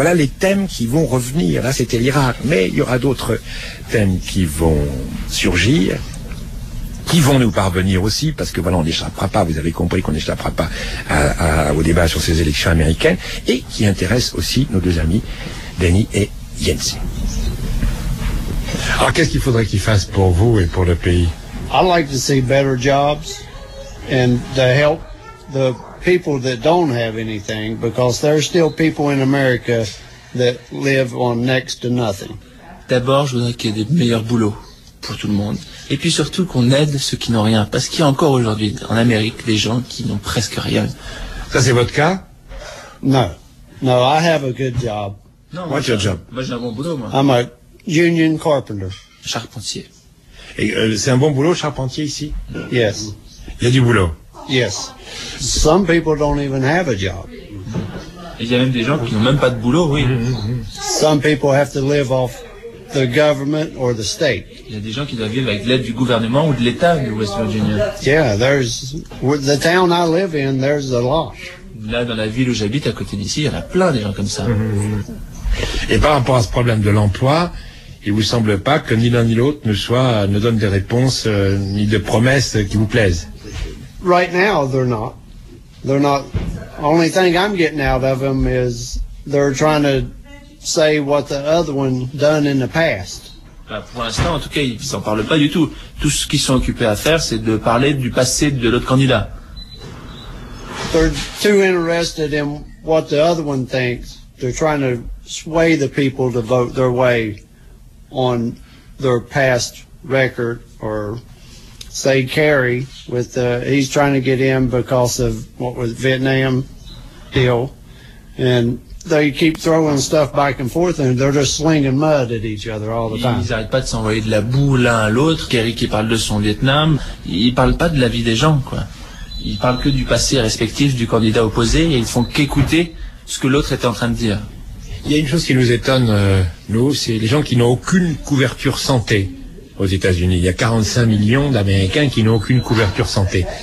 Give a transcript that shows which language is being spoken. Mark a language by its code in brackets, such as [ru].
[fr] Voilà les thèmes qui vont revenir. Là, c'était l'Irak, mais il y aura d'autres thèmes qui vont surgir, qui vont nous parvenir aussi, parce que voilà, on n'échappera pas, vous avez compris qu'on n'échappera pas au débat sur ces élections américaines, et qui intéresse aussi nos deux amis, Danny et Yancy. Alors, qu'est-ce qu'il faudrait qu'ils fassent pour vous et pour le pays? [en] I'd like to see better jobs and to help the people that don't have anything, because there are still people in America that live on next to nothing. [fr] D'abord, je voudrais qu'il y ait des meilleurs boulots pour tout le monde. Et puis surtout qu'on aide ceux qui n'ont rien. Parce qu'il y a encore aujourd'hui en Amérique des gens qui n'ont presque rien. Ça, c'est votre cas? [en] Non. No, I have a good job. Non, what's your job? [fr] Moi, j'ai un bon boulot, moi. [en] I'm a union carpenter. [fr] Charpentier. Et c'est un bon boulot, charpentier, ici? [en] Yes. [fr] Il y a du boulot? [en] Yes. Some people don't even have a job. [fr] Et il y a même des gens qui n'ont même pas de boulot, oui. [en] Some people have to live off the government or the state. [fr] Il y a des gens qui doivent vivre avec l'aide du gouvernement ou de l'État de West Virginia. [en] Yeah, there's the town I live in. There's a lot. [fr] Là, dans la ville où j'habite à côté d'ici, il y en a plein des gens comme ça. Et par rapport à ce problème de l'emploi, il vous semble pas que ni l'un ni l'autre ne donne des réponses ni de promesses qui vous plaisent. [en] Right now, they're not. they're not, only thing I'm getting out of them is they're trying to say what the other one done in the past. [fr] Pour l'instant, en tout cas, ils s'en parlent pas du tout. Tout ce qu'ils sont occupés à faire, c'est de parler du passé de l'autre candidat. [en] They're too interested in what the other one thinks. They're trying to sway the people to vote their way on their past record, or say Kerry with he's trying to get in because of what was Vietnam deal, and they keep throwing stuff back and forth, and they're just slinging mud at each other all the time. [fr] Ils n'arrêtent pas de s'envoyer de la boue l'un à l'autre. Kerry qui parle de son Vietnam, il parle pas de la vie des gens, quoi. Il parle que du passé respectif du candidat opposé, et ils font qu'écouter ce que l'autre était en train de dire. Il y a une chose qui nous étonne, nous, c'est les gens qui n'ont aucune couverture santé aux États-Unis. Il y a 45 millions d'Américains qui n'ont aucune couverture santé.